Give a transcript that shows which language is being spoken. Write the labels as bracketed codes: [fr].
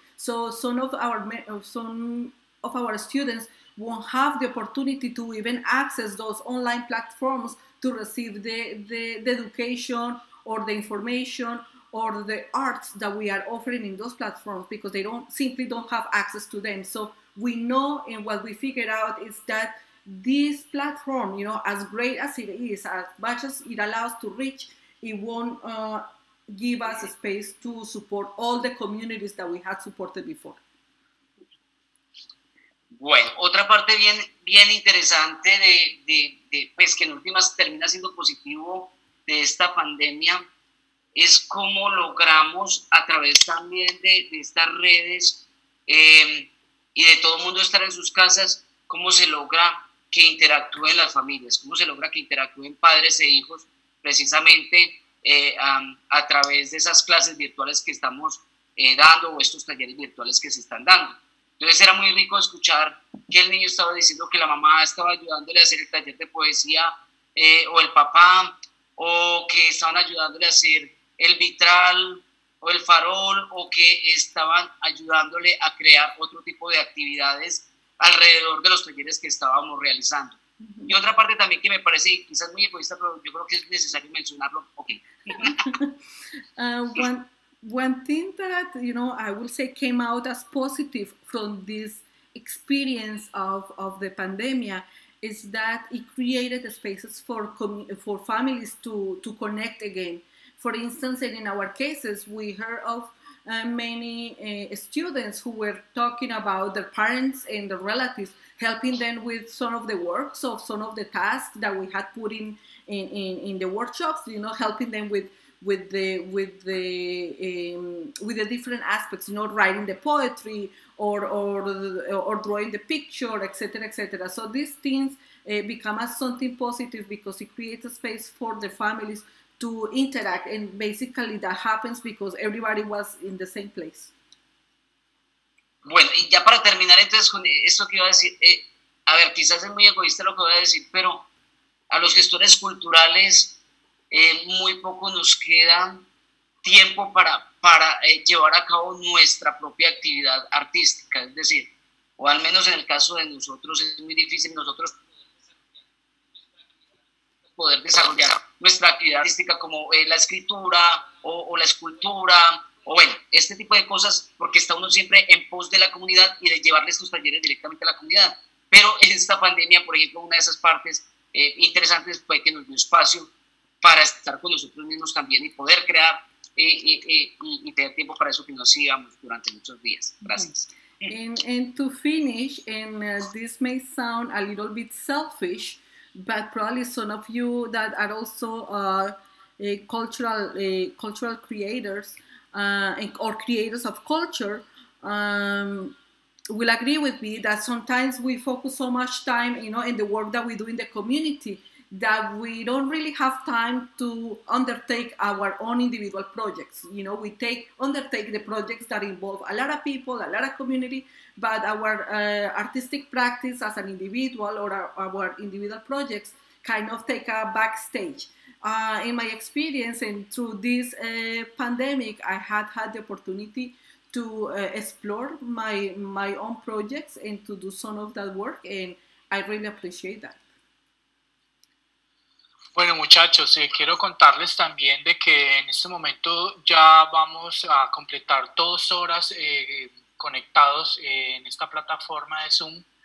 [en] So some of our students won't have the opportunity to even access those online platforms to receive the education or the information or the arts that we are offering in those platforms, because they simply don't have access to them. So we know, and what we figured out is that this platform, you know, as great as it is, as much as it allows to reach, it won't give us a space to support all the communities that we had supported before. [es] Bueno, otra parte bien interesante de pues que en últimas termina siendo positivo de esta pandemia es cómo logramos a través también de estas redes y de todo el mundo estar en sus casas, cómo se logra que interactúen las familias, cómo se logra que interactúen padres e hijos precisamente a través de esas clases virtuales que estamos dando o estos talleres virtuales que se están dando. Entonces era muy rico escuchar que el niño estaba diciendo que la mamá estaba ayudándole a hacer el taller de poesía o el papá, o que estaban ayudándole a hacer el vitral o el farol, o que estaban ayudándole a crear otro tipo de actividades alrededor de los talleres que estábamos realizando. Y otra parte también que me parece quizás muy egoísta, pero yo creo que es necesario mencionarlo. Okay. [en] One thing that, you know, I will say came out as positive from this experience of the pandemia is that it created spaces for families to connect again. For instance, and in our cases, we heard of many students who were talking about their parents and their relatives, helping them with some of the works of some of the tasks that we had put in the workshops, you know, helping them with the different aspects, you know, writing the poetry or drawing the picture, et cetera, et cetera. So these things become as something positive because it creates a space for the families to interact. And basically that happens because everybody was in the same place. [es] Bueno, y ya para terminar entonces con esto que iba a decir, a ver, quizás es muy egoísta lo que voy a decir, pero a los gestores culturales, muy poco nos queda tiempo para llevar a cabo nuestra propia actividad artística, es decir, o al menos en el caso de nosotros es muy difícil nosotros poder desarrollar nuestra actividad artística como la escritura o la escultura, o bueno, este tipo de cosas, porque está uno siempre en pos de la comunidad y de llevarle estos talleres directamente a la comunidad, pero en esta pandemia, por ejemplo, una de esas partes interesantes fue que nos dio espacio para estar con nosotros mismos también y poder crear y tener tiempo para eso que nos sigamos durante muchos días. Gracias. [en] And to finish, and this may sound a little bit selfish, but probably some of you that are also cultural creators or creators of culture will agree with me that sometimes we focus so much time, you know, in the work that we do in the community, that we don't really have time to undertake our own individual projects. You know, we undertake the projects that involve a lot of people, a lot of community, but our artistic practice as an individual or our individual projects kind of take a backstage. In my experience and through this pandemic, I had the opportunity to explore my own projects and to do some of that work, and I really appreciate that. [es] Bueno, muchachos, quiero contarles también de que en este momento ya vamos a completar 2 horas conectados en esta plataforma de Zoom.